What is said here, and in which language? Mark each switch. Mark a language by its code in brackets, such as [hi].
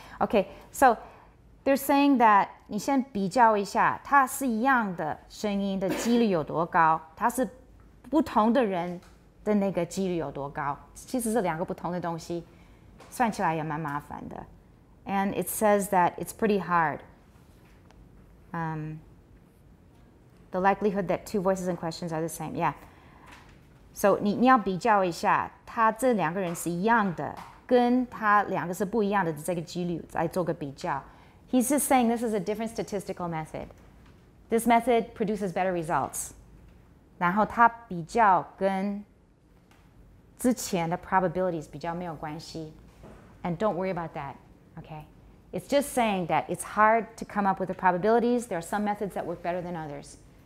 [en] Okay, so they're saying that [zh] 你先比较一下它是一样的声音的几率有多高，它是不同的人的那个几率有多高，其实是两个不同的东西，算起来也蛮麻烦的。 [en] And it says that it's pretty hard. The likelihood that two voices in questions are the same. Yeah. [zh] So 你要比较一下他这两个人是一样的跟他两个是不一样的这个几率来做个比较。 [en] He's just saying this is a different statistical method. This method produces better results. [zh] 然后他比较跟之前的 [en] probabilities [zh] 比较没有关系。 [en] And don't worry about that. Okay. It's just saying that it's hard to come up with the probabilities. There are some methods that work better than others.